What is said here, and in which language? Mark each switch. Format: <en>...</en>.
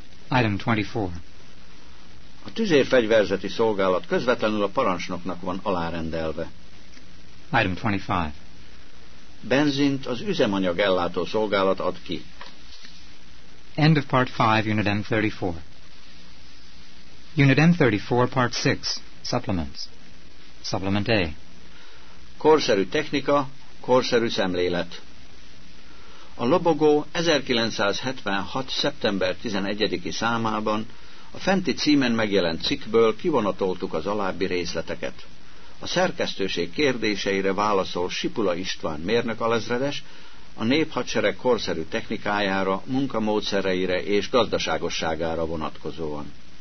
<en>Item 24.</en> <hu>A tüzérfegyverzeti szolgálat közvetlenül a parancsnoknak van alárendelve.</hu> <en>Item 25.</en> <hu>Benzint az üzemanyag ellátó szolgálat ad ki.</hu> <en>End of part 5, unit M34. Unit M34, part 6, supplements. Supplement A.</en> <hu>Korszerű technika, korszerű szemlélet. A lobogó 1976. szeptember 11-i számában A fenti címen megjelent cikkből kivonatoltuk az alábbi részleteket. A szerkesztőség kérdéseire válaszol Sipula István mérnök alezredes, a néphadsereg korszerű technikájára, munkamódszereire és gazdaságosságára vonatkozóan.</hu>